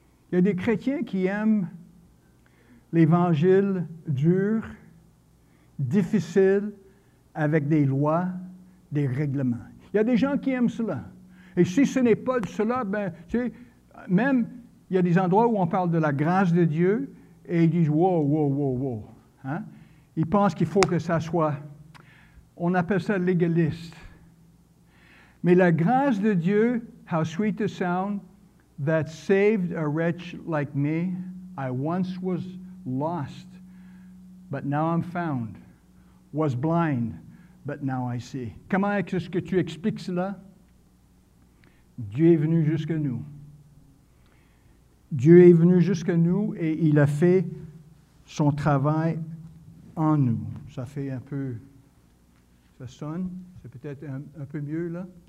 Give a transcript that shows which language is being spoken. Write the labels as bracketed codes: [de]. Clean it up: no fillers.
[fr] Il y a des chrétiens qui aiment l'évangile dur, difficile, avec des lois, des règlements. Il y a des gens qui aiment cela. Et si ce n'est pas cela, ben, tu sais, même il y a des endroits où on parle de la grâce de Dieu et ils disent « wow, wow, wow, wow hein? ». Ils pensent qu'il faut que ça soit, on appelle ça légaliste. Mais la grâce de Dieu, [en] « how sweet the sound that saved a wretch like me, I once was lost, but now I'm found, was blind, but now I see ». [fr] Comment est-ce que tu expliques cela? Dieu est venu jusqu'à nous. Dieu est venu jusqu'à nous et il a fait son travail en nous. Ça fait un peu, ça sonne, c'est peut-être un peu mieux là.